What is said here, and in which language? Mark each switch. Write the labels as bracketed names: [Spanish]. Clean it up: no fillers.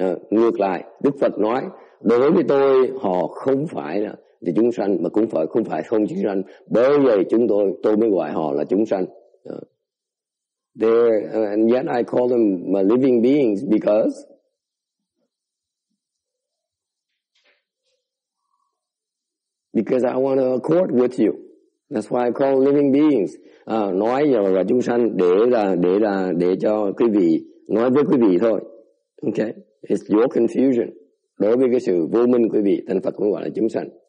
[Vietnamese] Ngược lại, Đức Phật nói, đối với tôi, họ không phải là chúng sanh, mà cũng phải không phải không chúng sanh. Bởi vậy chúng tôi mới gọi họ là chúng sanh. [English] And yet I call them my living beings because I want to accord with you. That's why I call living beings. [Vietnamese] Nói là chúng sanh để cho quý vị nói với quý vị thôi. [English] Okay, it's your confusion. [Vietnamese] Đối với cái sự vô minh quý vị, thành Phật cũng gọi là chúng sanh.